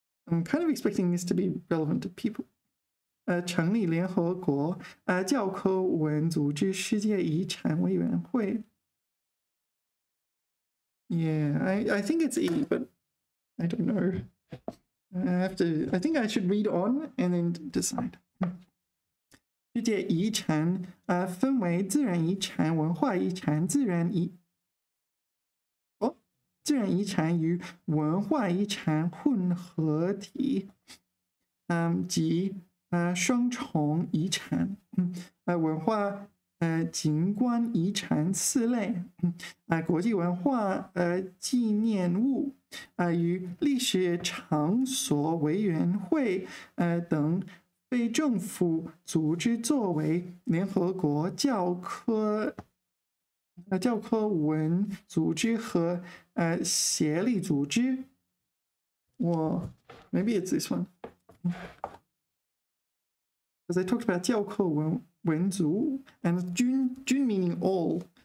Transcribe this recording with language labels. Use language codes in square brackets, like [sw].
[en] I'm kind of expecting this to be relevant to people. [zh] 成立联合国教科文组织世界遗产委员会。 [en] Yeah, I think it's E, but I don't know. I think I should read on and then decide. [zh] 世界遗产分为自然遗产、文化遗产、自然遗产与文化遗产混合体及双重遗产文化景观遗产四类国际文化纪念物与历史场所委员会等非政府组织作为联合国教科文组织和协力组织。 [en] Maybe it's this one. Because I talked about 教科文组 and 均 meaning all.